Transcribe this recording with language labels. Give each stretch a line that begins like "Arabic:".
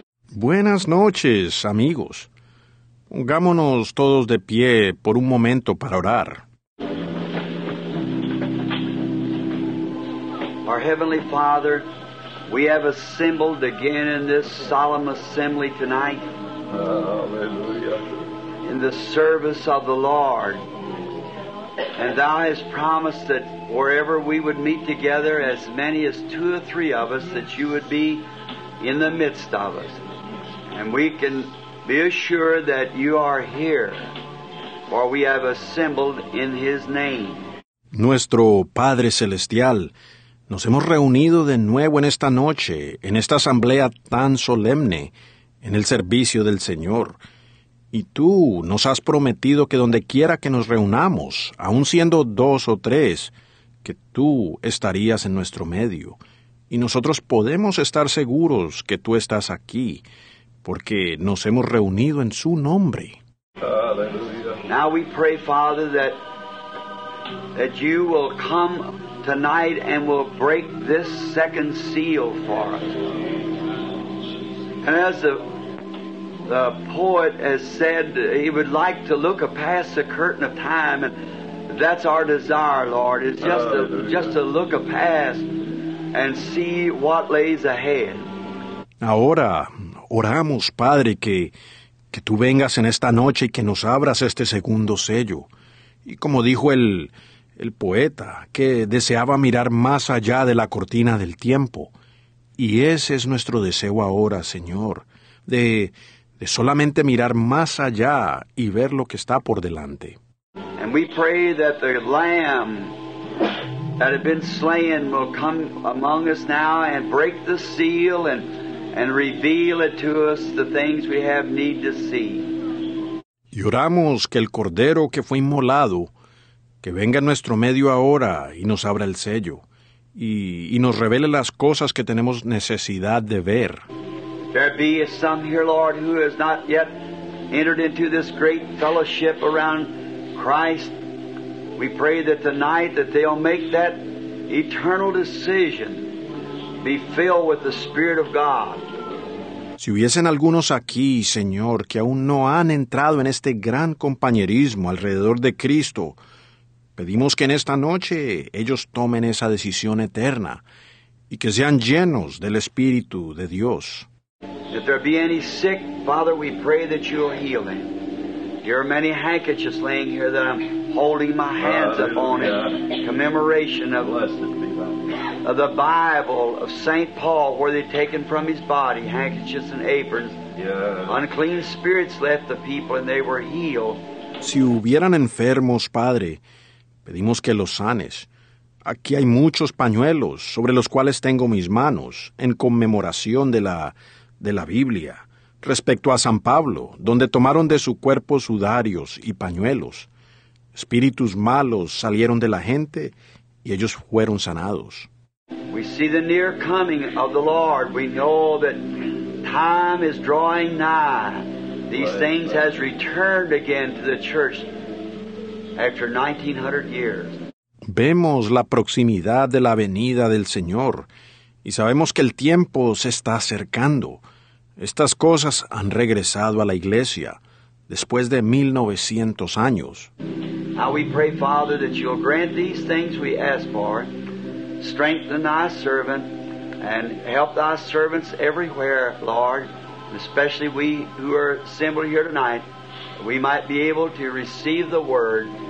Spanish: Buenas noches, amigos. Pongámonos todos de pie por un momento para orar.
English: Our Heavenly Father, we have assembled again in this solemn assembly tonight. Hallelujah. In the service of the Lord. And Thou hast promised that wherever we would meet together, as many as two or three of us, that You would be in the midst of us. And we can be assured that You are here, for we have assembled in His name.
Spanish: Nuestro Padre Celestial, nos hemos reunido de nuevo en esta noche, en esta asamblea tan solemne, en el servicio del Señor. Y Tú nos has prometido que donde quiera que nos reunamos, aun siendo dos o tres, que Tú estarías en nuestro medio. Y nosotros podemos estar seguros que Tú estás aquí, porque nos hemos reunido en Su nombre.
English: Now we pray, Father, that You will come tonight and will break this second seal for us. And as the poet has said he would like to look past the curtain of time, and that's our desire, Lord. It's just to look past and see what lays ahead.
Spanish: Ahora oramos, Padre, que Tú vengas en esta noche y que nos abras este segundo sello. Y como dijo el poeta, que deseaba mirar más allá de la cortina del tiempo. Y ese es nuestro deseo ahora, Señor, de solamente mirar más allá y ver lo que está por delante.
English: And we pray that the Lamb that had been slain will come among us now and break the seal and reveal it to us, the things we have need to see.
Spanish: Y oramos que el Cordero que fue inmolado, que venga en nuestro medio ahora y nos abra el sello, y nos revele las cosas que tenemos necesidad de ver.
English: There be some here, Lord, who has not yet entered into this great fellowship around Christ. We pray that tonight that they'll make that eternal decision, be filled with the Spirit of God.
Spanish: Si hubiesen algunos aquí, Señor, que aún no han entrado en este gran compañerismo alrededor de Cristo, pedimos que en esta noche ellos tomen esa decisión eterna y que sean llenos del Espíritu de Dios.
English: If there be any sick, Father, we pray that You will heal him. There are many handkerchiefs laying here that I'm holding my hands upon in commemoration of the Bible of St. Paul, where they've taken from his body handkerchiefs and aprons. Yes. Unclean spirits left the people and they were healed.
Spanish: Si hubieran enfermos, Padre, pedimos que los sanes. Aquí hay muchos pañuelos sobre los cuales tengo mis manos en conmemoración de la Biblia, respecto a San Pablo, donde tomaron de su cuerpo sudarios y pañuelos. Espíritus malos salieron de la gente y ellos fueron sanados.
English: We see the near coming of the Lord. We know that time is drawing nigh. These things has returned again to the church after 1900 years.
Spanish: Vemos la proximidad de la venida del Señor y sabemos que el tiempo se está acercando. Estas cosas han regresado a la iglesia después de 1900 años.
English: Now we pray, Father, that you'll grant these things we ask for. Strengthen thy servant and help thy servants everywhere, Lord, especially we who are assembled here tonight, we might be able to receive the word.